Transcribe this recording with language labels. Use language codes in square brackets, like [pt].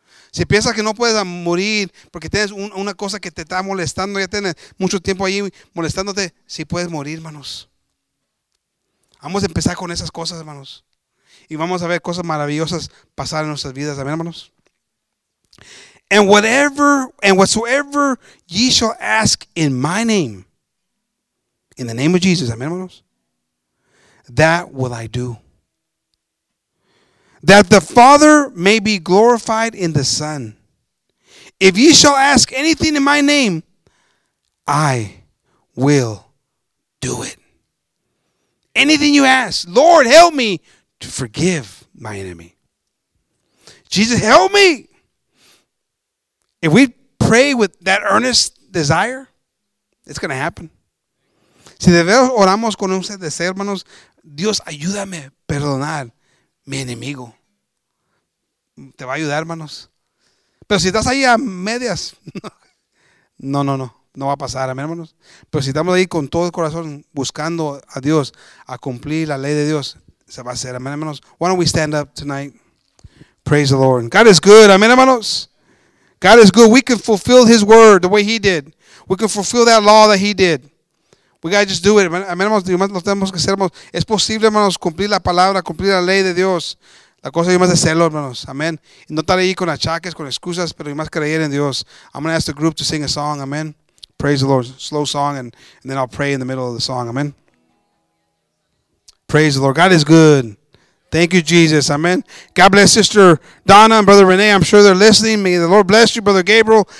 [es] Si piensas que no puedes morir porque tienes una cosa que te está molestando, ya tienes mucho tiempo ahí molestándote, sí puedes morir, hermanos. Vamos a empezar con esas cosas, hermanos. Y vamos a ver cosas maravillosas pasar en nuestras vidas, amén, hermanos. [en] And whatsoever ye shall ask in my name, in the name of Jesus, amen, hermanos, that will I do. That the Father may be glorified in the Son. If ye shall ask anything in my name, I will do it. Anything you ask, Lord, help me to forgive my enemy. Jesus, help me. If we pray with that earnest desire, it's going to happen. [es] Si de verdad oramos con ese deseo, hermanos, Dios, ayúdame a perdonar mi enemigo. Te va a ayudar, hermanos. Pero si estás ahí a medias, no va a pasar, amén, hermanos. Pero si estamos ahí con todo el corazón buscando a Dios, a cumplir la ley de Dios, se va a hacer, amén, hermanos. [en] Why don't we stand up tonight? Praise the Lord. God is good, [es] amén, hermanos. [en] God is good. We can fulfill his word the way he did. We can fulfill that law that he did. We got to just do it. [es] Amén, hermanos. Es posible, hermanos, cumplir la palabra, cumplir la ley de Dios. La cosa es más de hacerlo, hermanos. Amén. No estar ahí con achaques, con excusas, pero más creer en Dios. [en] I'm going to ask the group to sing a song. Amén. Praise the Lord. Slow song, and then I'll pray in the middle of the song. Amén. Praise the Lord. God is good. Thank you, Jesus. Amen. God bless Sister Donna and Brother Renee. I'm sure they're listening. May the Lord bless you, Brother Gabriel.